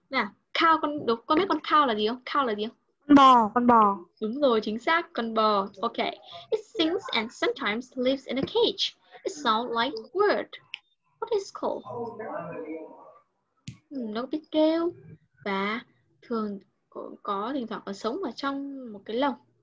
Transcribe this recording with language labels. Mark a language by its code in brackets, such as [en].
[vi] Nè, cow con biết con cow là gì không? Cow là gì không? Con bò. Đúng rồi, chính xác, con bò. [en] Okay. It sings and sometimes lives in a cage. It sounds like bird. What is called? [vi] Nó biết kêu và thường có thỉnh thoảng còn sống ở trong một cái lồng.